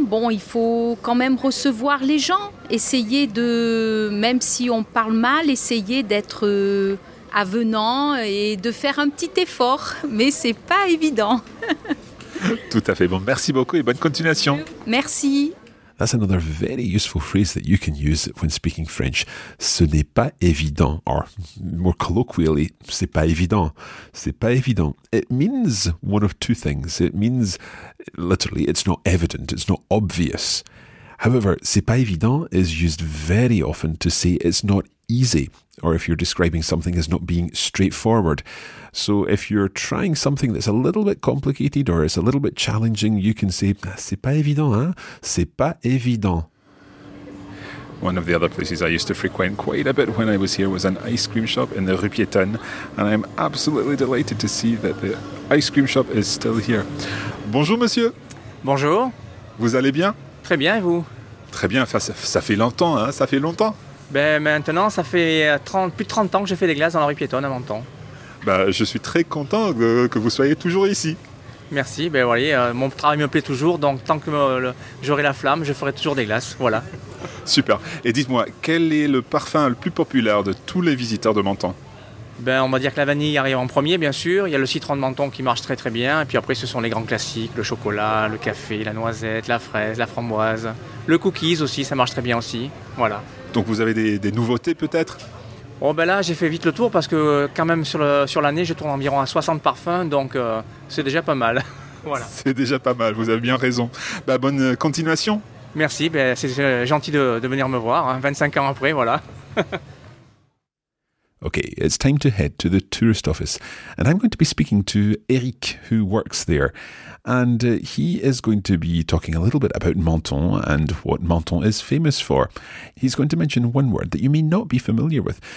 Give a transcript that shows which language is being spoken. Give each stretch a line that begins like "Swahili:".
French: Bon, il faut quand même recevoir les gens. Essayer de, même si on parle mal, essayer d'être avenant et de faire un petit effort. Mais ce n'est pas évident. Tout à fait. Bon, merci beaucoup et bonne continuation. Merci.
English: That's another very useful phrase that you can use when speaking French.
French: Ce n'est pas évident,
English: or more colloquially,
French: c'est pas évident. C'est pas évident.
English: It means one of two things. It means, literally, it's not evident, it's not obvious. However,
French: c'est pas évident
English: is used very often to say it's not easy, or if you're describing something as not being straightforward. So if you're trying something that's a little bit complicated or it's a little bit challenging, you can say,
French: c'est pas évident, hein? C'est pas évident.
English: One of the other places I used to frequent quite a bit when I was here was an ice cream shop in the Rue Piétonne, and I'm absolutely delighted to see that the ice cream shop is still here.
French: Bonjour, monsieur. Bonjour. Vous allez bien? Très bien, et vous? Très bien, enfin, ça fait longtemps, hein? Ça fait longtemps. Ben maintenant, ça fait plus de 30 ans que j'ai fait des glaces dans la rue Piétonne à Menton. Ben, je suis très content que vous soyez toujours ici. Merci, ben voyez, mon travail me plaît toujours, donc tant que j'aurai la flamme, je ferai toujours des glaces, voilà. Super, et dites-moi, quel est le parfum le plus populaire de tous les visiteurs de Menton? Ben on va dire que la vanille arrive en premier, bien sûr, il y a le citron de Menton qui marche très très bien, et puis après ce sont les grands classiques, le chocolat, le café, la noisette, la fraise, la framboise, le cookies aussi, ça marche très bien aussi, voilà. Donc vous avez des nouveautés peut-être? Oh ben là j'ai fait vite le tour parce que quand même sur l'année je tourne environ à 60 parfums, donc c'est déjà pas mal. Voilà. C'est déjà pas mal, vous avez bien raison. Bah, bonne continuation. Merci, bah, c'est gentil de venir me voir, hein, 25 ans après, voilà.
English: Okay, it's time to head to the tourist office. And I'm going to be speaking to Eric, who works there. And he is going to be talking a little bit about Menton and what Menton is famous for. He's going to mention one word that you may not be familiar with.